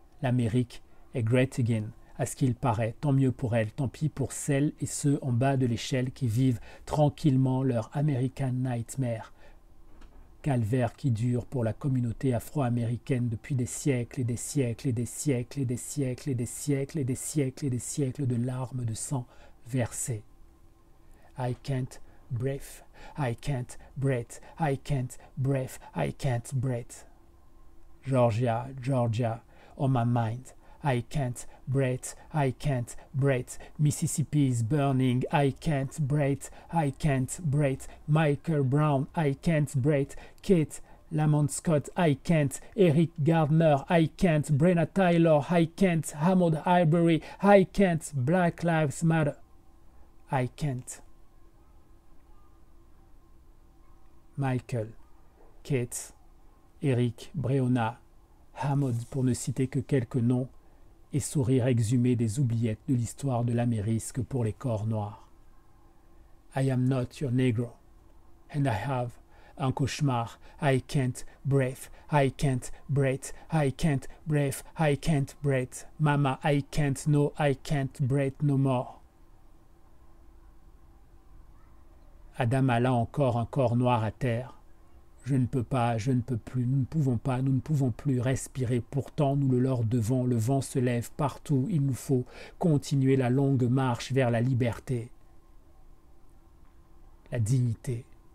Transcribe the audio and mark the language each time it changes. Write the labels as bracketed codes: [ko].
[fr] L'Amérique est [en] great again, [fr] à ce qu'il paraît, tant mieux pour elle, tant pis pour celles et ceux en bas de l'échelle qui vivent tranquillement leur [en] American Nightmare. [fr] calvaire qui dure pour la communauté afro-américaine depuis des siècles et des siècles et des siècles et des siècles et des siècles et des siècles et des siècles de larmes de sang versées. [en] I can't breathe, I can't breathe, I can't breathe, I can't breathe. Georgia, Georgia, on my mind. I can't breathe, I can't breathe. Mississippi is burning, I can't breathe, I can't breathe. Michael Brown, I can't breathe. Kate Lamont Scott, I can't. Eric Gardner, I can't. Breonna Taylor, I can't. Ahmaud Arbery, I can't. Black Lives Matter, I can't. [fr] Michael, Kate, Eric, Breonna, Ahmaud, pour ne citer que quelques noms, et sourire exhumé des oubliettes de l'histoire de l'Amérique pour les corps noirs. [en] I am not your Negro, and I have [fr] un cauchemar. [en] I can't breathe, I can't breathe, I can't breathe, I can't breathe. Mama, I can't, no, I can't breathe no more. [fr] Adam a là encore un corps noir à terre. Je ne peux pas, je ne peux plus, nous ne pouvons pas, nous ne pouvons plus respirer. Pourtant, nous le leur devons, le vent se lève partout. Il nous faut continuer la longue marche vers la liberté, la dignité.